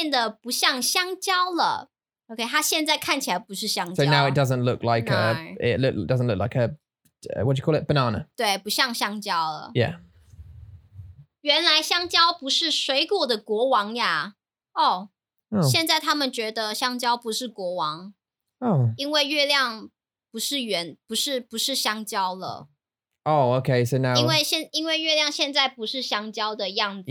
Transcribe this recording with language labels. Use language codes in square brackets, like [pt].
[zh] 月亮变得不像香蕉了, okay, 它现在看起来不是香蕉, [en] so now it doesn't look like no. a, it doesn't look like a, what do you call it, banana? [zh] 对,不像香蕉了, [en] yeah. [zh] 原来香蕉不是水果的国王呀, oh, 现在他们觉得香蕉不是国王, oh. 因为月亮不是圆, 不是香蕉了, [en] oh, okay, so now, [zh] 因为月亮现在不是香蕉的样子,